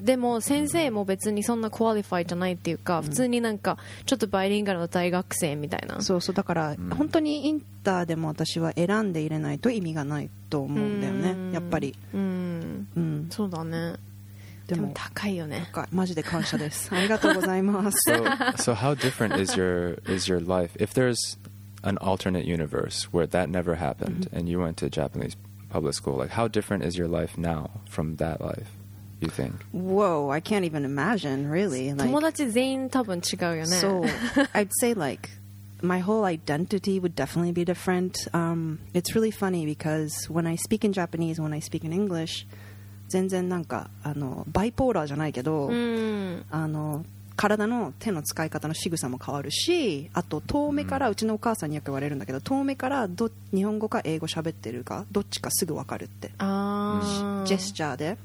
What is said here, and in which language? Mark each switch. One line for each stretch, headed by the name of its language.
Japanese: でも先生も別にそんなクオリファイじゃないっていうか、普通になんかちょっとバイリンガルの大学生みたいな。そうそう、だから本当にインターでも私は選んで入れないと意味がないと思うんだよね、やっぱり。そうだね。でも高いよね。高い。マジで感謝です。ありがとうございます。
English: So how different is your life if there's an alternate universe where that never happened and you went to Japanese public school? Like how different is your life now from that life? You think? Whoa, I can't even imagine. Really?
Japanese: Like, 友達全員多分違うよね。
English: So I'd say like my whole identity would definitely be different. It's really funny because when I speak in Japanese, when I speak in English.
Japanese: 全然なんかあのバイポーラーじゃないけど、あの体の手の使い方の仕草も変わるし、あと遠目から、うちのお母さんによく言われるんだけど、遠目からど日本語か英語喋ってるかどっちかすぐ分かるって、ジェスチャーで。